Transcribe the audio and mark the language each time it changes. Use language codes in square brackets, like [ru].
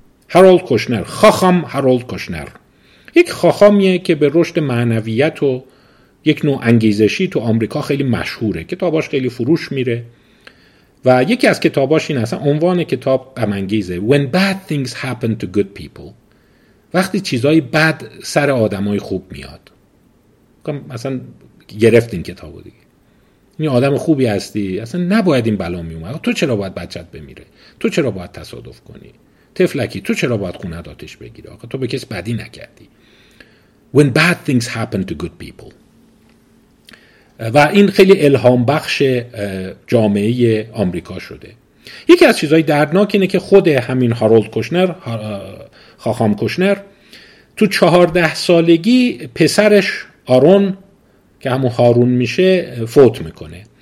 [fa] هارولد کوشنر، خاخام هارولد کوشنر، یک خاخامیه که به رشد معنویت و یک نوع انگیزشی تو آمریکا خیلی مشهوره، کتاباش خیلی فروش میره و یکی از کتاباش این اصلا عنوان کتاب غم انگیزه، [en] When bad things happen to good people، [fa] وقتی چیزای بد سر آدمای خوب میاد. مثلا گرفت این کتابو دیگه، این آدم خوبی هستی، اصلا نباید این بلا می اومد، تو چرا باید بچت بمیره، تو چرا باید تصادف کنی طفلکی، تو چرا باید خونت آتش بگیره، آخه تو به کس بدی نکردی. [en] When bad things happen to good people. [fa] و این خیلی الهام بخش جامعه آمریکا شده. یکی از چیزهای دردناک اینه که خود همین هارولد کوشنر، خاخام کوشنر، تو 14 سالگی پسرش آرون که همون هارون میشه فوت میکنه.